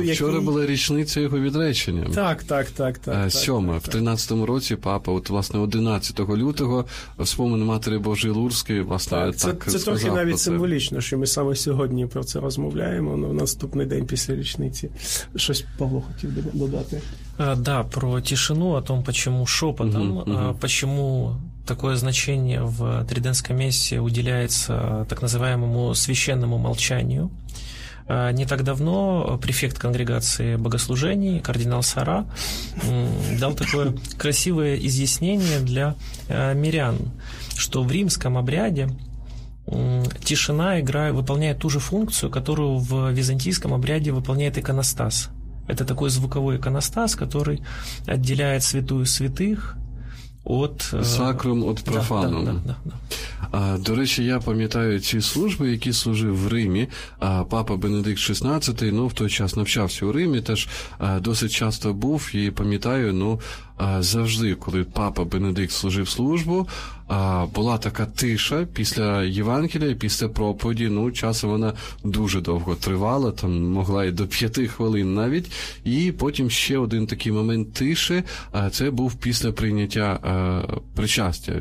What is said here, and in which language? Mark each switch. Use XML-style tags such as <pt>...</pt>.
<uk>Вчора була річниця його відречення. Так. Сьоме. В 13-му році папа, 11 лютого, вспомин Матері Божої Лурдської, Це трохи навіть символічно, що ми саме сьогодні про це розмовляємо, в наступний день після річниці. Щось Павло хотів додати.</uk> <ru>Да, про тишину, о том, почему шепотом, почему такое значение в Триденской мессе уделяется так называемому священному молчанию. Не так давно префект конгрегации богослужений, кардинал Сара, дал такое красивое изъяснение для мирян, что в римском обряде тишина выполняет ту же функцию, которую в византийском обряде выполняет иконостас. Это такой звуковой иконостас, который отделяет святую святых от... Сакрум от профанум.</ru> <uk>До речі, я пам'ятаю ці служби, які служив в Римі. Папа Бенедикт XVI, ну, в той час навчався у Римі, теж досить часто був, і пам'ятаю, ну, завжди, коли папа Бенедикт служив службу, була така тиша після Євангелія, після проповіді, ну, часом вона дуже довго тривала, там могла і до 5 хвилин навіть, і потім ще один такий момент тиші, це був після прийняття причастя.</uk>